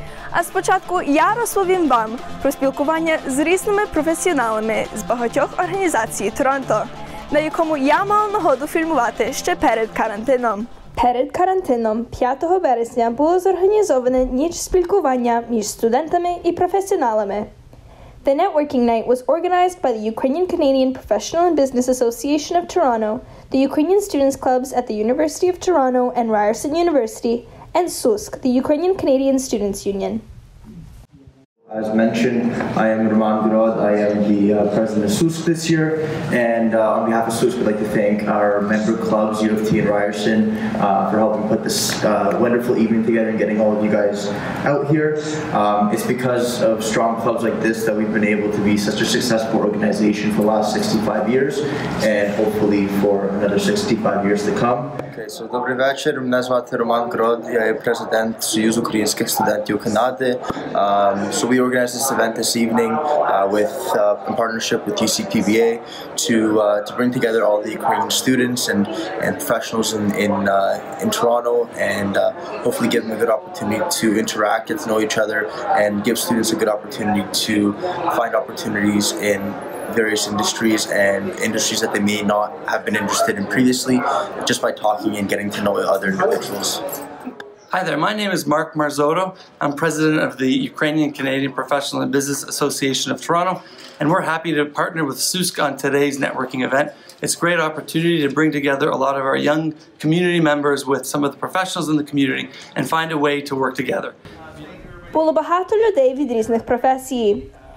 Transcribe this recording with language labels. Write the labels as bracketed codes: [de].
[uk] А спочатку я розповім вам про спілкування з різними професіоналами з багатьох організацій Торонто, на якому я мала нагоду фільмувати ще перед карантином. Перед карантином 5 вересня було зорганізоване ніч спілкування між студентами і професіоналами. [en] The networking night was organized by the Ukrainian Canadian Professional and Business Association of Toronto, the Ukrainian Students Clubs at the University of Toronto and Ryerson University, and SUSC, the Ukrainian Canadian Students Union. As mentioned, I am Roman Gurod. I am the president of SUSC this year. And on behalf of SUSC, we'd like to thank our member clubs, U of T and Ryerson, for helping put this wonderful evening together and getting all of you guys out here. It's because of strong clubs like this that we've been able to be such a successful organization for the last 65 years, and hopefully for another 65 years to come. Okay, so [uk] добрий вечір. Мене звати Роман Грод. Я є президент Союзу українських студентів Канади. [en] So we organized this event this evening in partnership with UCPBA to bring together all the Ukrainian students and professionals in Toronto and hopefully give them a good opportunity to interact, get to know each other, and give students a good opportunity to find opportunities in various industries and industries that they may not have been interested in previously, just by talking and getting to know other individuals. Hi there, my name is Mark Marzotto. I'm president of the Ukrainian Canadian Professional and Business Association of Toronto, and we're happy to partner with SUSC on today's networking event. It's a great opportunity to bring together a lot of our young community members with some of the professionals in the community and find a way to work together. [uk] Було багато людей від різних професій.